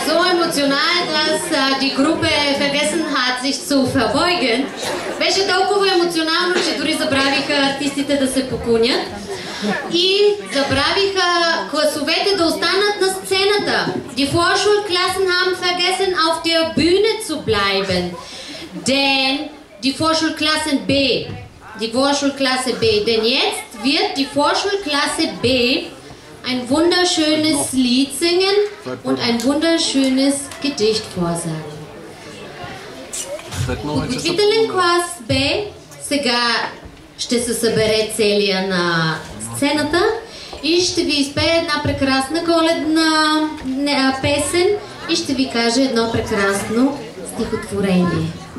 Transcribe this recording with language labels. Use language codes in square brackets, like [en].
[de] emotional, dass die Gruppe vergessen hat, sich zu verbeugen. [bg] Беше толкова емоционално, че дори забравиха артистите да се поклонят. И забравиха класовете да останат на сцената. [de] Die Vorschulklassen haben vergessen, auf der Bühne zu bleiben. Denn die Vorschulklassen B, die Vorschulklasse B, denn jetzt wird die Vorschulklasse B ein wunderschönes Lied singen und ein wunderschönes Gedicht vorsagen. [bg] Учителен клас Б сега ще се събере целия на сцената и ще ви изпее една прекрасна коледна песен и ще ви каже едно прекрасно стихотворение.